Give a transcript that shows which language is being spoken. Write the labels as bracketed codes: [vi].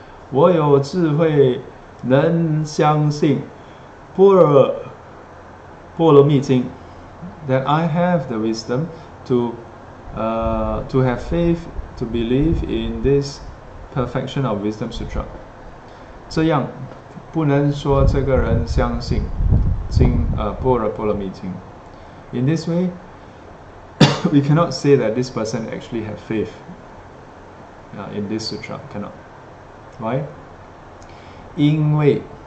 [zh] 我有智慧能相信般若波罗蜜经, [en] that I have the wisdom to have faith, to believe in this Perfection of Wisdom Sutra. [zh] 这样不能说这个人相信般若波罗蜜经. [en] In this way, we cannot say that this person actually have faith in this sutra. Cannot. Why? [zh] 因为,